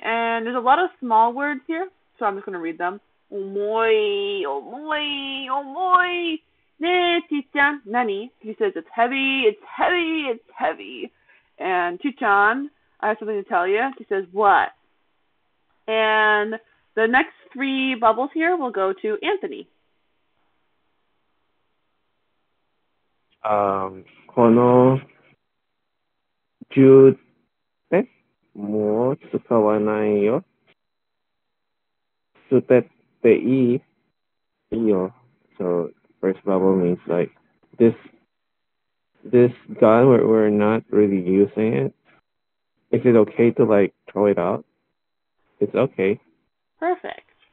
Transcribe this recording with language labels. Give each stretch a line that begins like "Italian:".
English: And there's a lot of small words here, so I'm just going to read them.
Japanese: Omoi, omoi, omoi. Ne, chichan, nani.
English: She says, it's heavy, it's heavy, it's heavy. And chichan, I have something to tell you. She says, what? And the next three bubbles here will go to Anthony.
Japanese: この銃ってもう使わないよ。捨てていい？いいよ。
English: So first bubble means like this gun we're not really using it. Is it okay to like throw it out? It's okay. Perfect.